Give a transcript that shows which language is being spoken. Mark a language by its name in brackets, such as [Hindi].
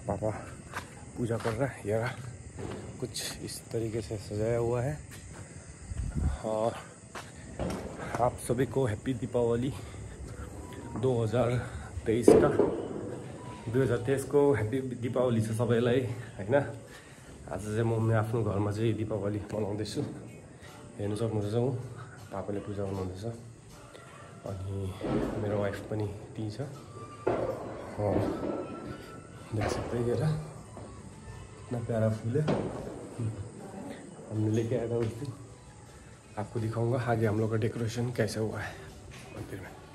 [Hindi] पापा पूजा कर रहा है, यार कुछ इस तरीके से सजाया हुआ है। और आप सभी को हैप्पी दीपावली 2023 का, [Nepali] 2023 को हैप्पी दीपावली छ सबैलाई, हैन। आज चाहिँ म आफ्नो घरमा चाहिँ दीपावली मनाउँदैछु, हेर्न सक्नुहुन्छ म पापाले पूजा गर्नुहुँदैछ अनि मेरो वाइफ पनि त्यहीँ छ। [Hindi] देख सकते हैं यहाँ इतना प्यारा फूल है, हमने लेके आया था उस दिन, आपको दिखाऊंगा आगे हम लोग का डेकोरेशन कैसे हुआ है मंदिर में।